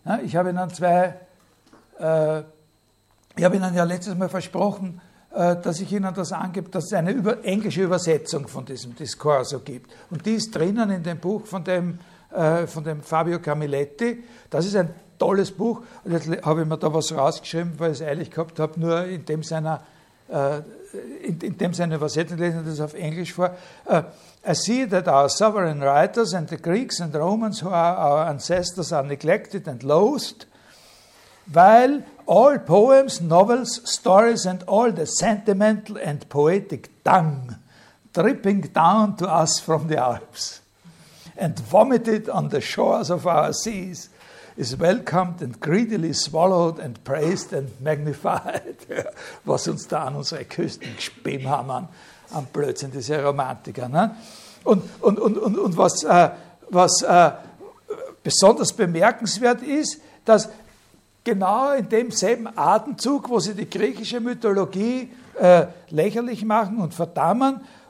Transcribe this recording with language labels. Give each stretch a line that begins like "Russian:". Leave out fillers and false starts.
German: Ich habe Ihnen letztes Mal versprochen, dass ich Ihnen das angebe, dass es eine englische Übersetzung von diesem Discorso gibt. Und die ist drinnen in dem Buch von dem Fabio Camilletti. Das ist ein tolles Buch. Und jetzt habe ich mir da was rausgeschrieben, weil ich es eilig gehabt habe, nur in dem seiner Übersetzung, lesen das auf Englisch vor.
English: I see that our sovereign writers and the Greeks and Romans who are our ancestors are neglected and loathed, while all poems, novels, stories and all the sentimental and poetic dung dripping down to us from the Alps and vomited on the shores of our seas is welcomed and greedily swallowed and praised and magnified.
German: Was uns da an unsere Küsten gespimm haben, an Blödsinn, diese Romantiker. Ne? Und was besonders bemerkenswert ist, dass genau in demselben Atemzug, wo sie die griechische Mythologie lächerlich machen und verdammen,